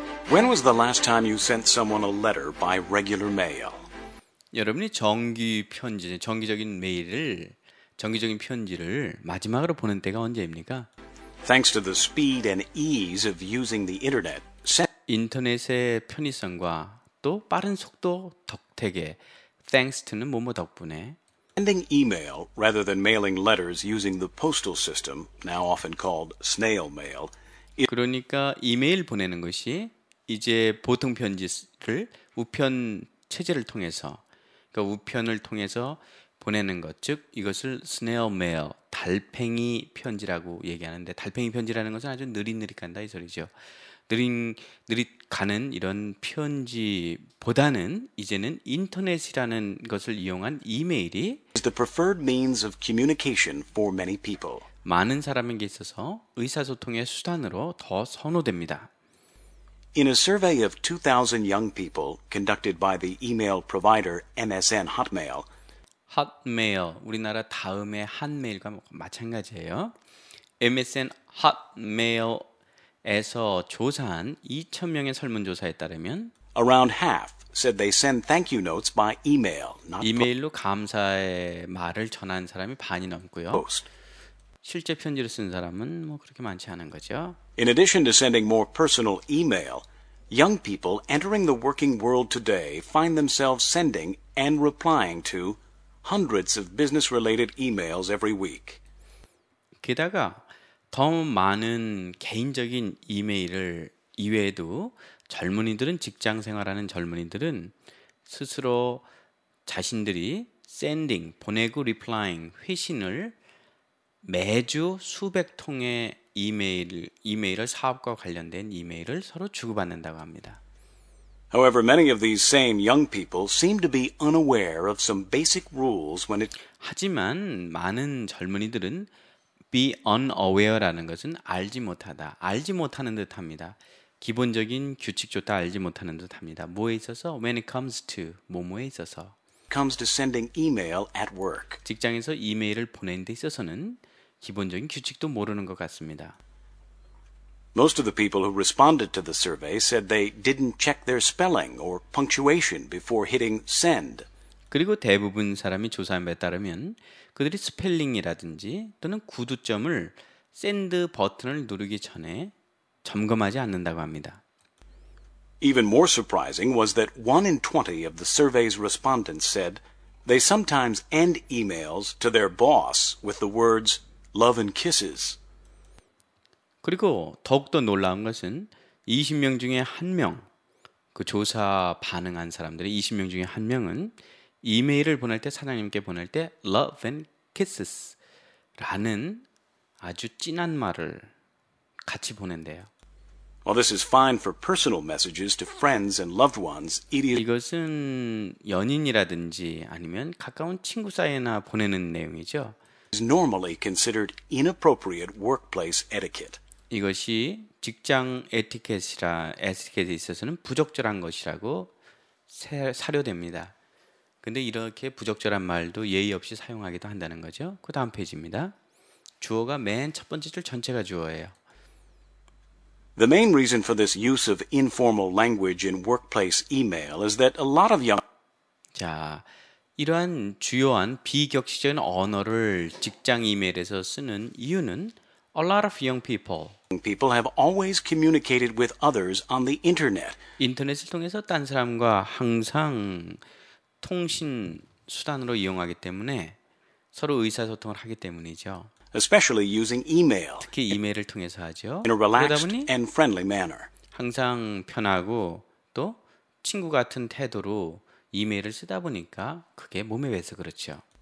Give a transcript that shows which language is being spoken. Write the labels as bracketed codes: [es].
[en] When was the last time you sent someone a letter by regular mail? [ko] 여러분이 정기 편지, 정기적인 메일을, 정기적인 편지를 마지막으로 보낸 때가 언제입니까? [en] Thanks to the speed and ease of using the internet. [ko] 인터넷의 편의성과 또 빠른 속도 덕택에, [en] thanks to [ko] 는 뭐뭐 덕분에. [en] Sending email rather than mailing letters using the postal system, now often called snail mail. [ko] 그러니까 이메일 보내는 것이 이제 보통 편지를 우편 체제를 통해서, 그러니까 우편을 통해서 보내는 것, 즉 이것을 snail mail, 달팽이 편지라고 얘기하는데, 달팽이 편지라는 것은 아주 느릿느릿 간다 이 소리죠. 느릿 가는 이런 편지보다는 이제는 인터넷이라는 것을 이용한 이메일이 [en] is the preferred means of communication for many people. [ko] 많은 사람에게 있어서 의사소통의 수단으로 더 선호됩니다. [en] In a survey of 2,000 young people conducted by the email provider MSN Hotmail, [ko] Hotmail, 우리나라 다음의 한메일과 마찬가지예요. MSN Hotmail에서 조사한 2,000명의 설문조사에 따르면 [en] Around half said they send thank you notes by email, not [ko] 이메일로 감사의 말을 전한 사람이 반이 넘고요. [en] Post. [ko] 실제 편지를 쓴 사람은 뭐 그렇게 많지 않은 거죠. [en] In addition to sending more personal email, young people entering the working world today find themselves sending and replying to hundreds of business-related emails every week. [ko] 게다가 더 많은 개인적인 이메일을 이외에도 젊은이들은 직장 생활하는 젊은이들은 스스로 자신들이 sending, 보내고 replying, 회신을 매주 수백 통의 이메일을 사업과 관련된 이메일을 서로 주고받는다고 합니다. [en] However, many of these same young people seem to be unaware of some basic rules when it [ko] 하지만 많은 젊은이들은 [en] be unaware [ko] 라는 것은 알지 못하다, 알지 못하는 듯합니다. 기본적인 규칙조차 알지 못하는 듯합니다. 뭐에 있어서 [en] when it comes to [ko] 뭐뭐에 있어서 [en] comes to sending email at work [ko] 직장에서 이메일을 보내는 데 있어서는 기본적인 규칙도 모르는 것 같습니다. [en] Most of the people who responded to the survey said they didn't check their spelling or punctuation before hitting send. [ko] 그리고 대부분 사람이 조사한 바에 따르면 그들이 스펠링이라든지 또는 구두점을 send 버튼을 누르기 전에 점검하지 않는다고 합니다. [en] Even more surprising was that 1 in 20 of the survey's respondents said they sometimes end emails to their boss with the words love and kisses. [ko] 그리고 더욱더 놀라운 것은 20명 중에 한 명, 그 조사 반응한 사람들의 20명 중에 한 명은 이메일을 보낼 때 사장님께 보낼 때 [en] love and kisses [ko] 라는 아주 진한 말을 같이 보낸대요. [en] Well, this is fine for personal messages to friends and loved ones. It is [ko] 이것은 연인이라든지 아니면 가까운 친구 사이에나 보내는 내용이죠. [en] Is normally considered inappropriate workplace etiquette. [ko] 이것이 직장 에티켓이라 에티켓에 있어서는 부적절한 것이라고 사료됩니다. 근데 이렇게 부적절한 말도 예의 없이 사용하기도 한다는 거죠. 그 다음 페이지입니다. 주어가 맨 첫 번째 줄 전체가 주어예요. [en] The main reason for this use of informal language in workplace email is that a lot of young [ko] 자, 이러한 주요한 비격식적인 언어를 직장 이메일에서 쓰는 이유는 [en] a lot of young people People have always communicated with others on the internet. [ko] 인터넷을 통해서 딴 사람과 항상 통신 수단으로 이용하기 때문에 서로 의사소통을 하기 때문이죠. [en] Especially using email. [ko] 특히 이메일을 통해서 하죠. [en] In a relaxed and friendly manner. [ko] 항상 편하고 또 친구 같은 태도로 이메일을 쓰다 보니까 그게 몸에 배서 그렇죠.